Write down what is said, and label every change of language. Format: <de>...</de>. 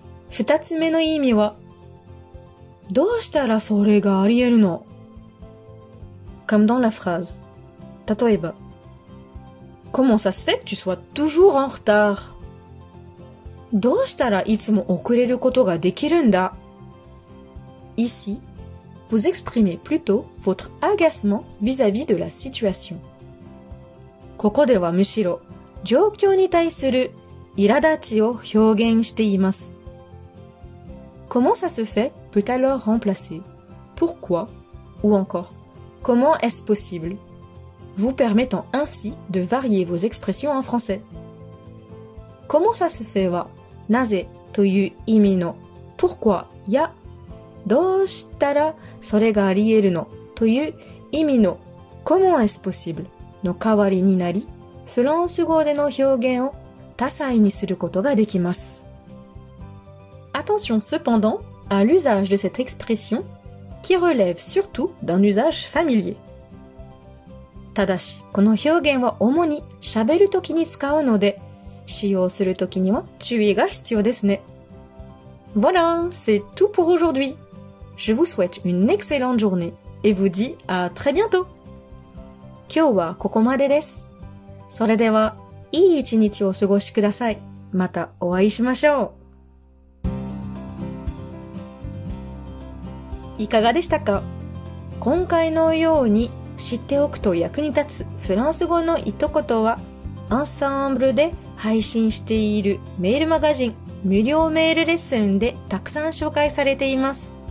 <ja>二つ目の意味は、どうしたらそれがあり得るの?</ja> <fr>Comme dans la phrase.</fr> <ja>例えば、</ja> <fr>Comment ça se fait que tu sois toujours en retard?</fr> <ja>どうしたらいつも遅れることができるんだ?</ja> <fr>Ici, vous exprimez plutôt votre agacement vis-à-vis de la situation.</fr> <ja>ここではむしろ、状況に対する苛立ちを表現しています。</ja> <fr>Comment ça se fait peut alors remplacer? Pourquoi? Ou encore, comment est-ce possible? Vous permettant ainsi de varier vos expressions en français.</fr> <ja>Comment ça se fait は、なぜという意味の、 pourquoi や、どうしたらそれがあり得るのという意味の、 comment est-ce possible? の代わりになり、フランス語での表現を多彩にすることができます。</ja> <fr>Attention cependant à l'usage de cette expression qui relève surtout d'un usage familier.</fr> <ja>ただし、この表現は主に喋るときに使うので、使用するときには注意が必要ですね。</ja> <fr>Voilà, c'est tout pour aujourd'hui. Je vous souhaite une excellente journée et vous dis à très bientôt.</fr> <ja>今日はここまでです。それでは、いい一日をお過ごしください。またお会いしましょう。いかがでしたか?今回のように知っておくと役に立つフランス語の一言は、アンサンブルで配信しているメールマガジン無料メールレッスンでたくさん紹介されています。</ja>